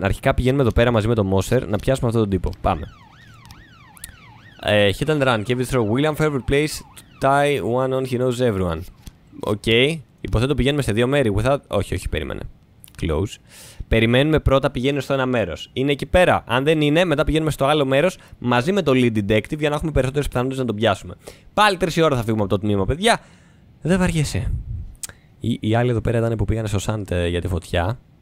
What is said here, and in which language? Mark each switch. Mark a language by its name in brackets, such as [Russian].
[Greek] Αρχικά πηγαίνουμε εδώ πέρα μαζί με τον Moser να πιάσουμε αυτόν τον τύπο. Πάμε. [English] Hit and run. Give it through. William favorite place to tie one on. He knows everyone. Okay. [Greek] Υποθέτω πηγαίνουμε σε δύο μέρη. Όχι, περίμενε. Close. Περιμένουμε πρώτα, πηγαίνουμε στο ένα μέρος. Είναι εκεί πέρα. Αν δεν είναι, μετά πηγαίνουμε στο άλλο μέρος μαζί με το lead detective για να έχουμε περισσότερες πιθανότητες να τον πιάσουμε. Πάλι 3 ώρα θα φύγουμε από το τμήμα, παιδιά. Δεν βαριέσαι. Οι άλλοι εδώ πέρα ήταν που πήγανε στο Σαντ για τη φωτιά.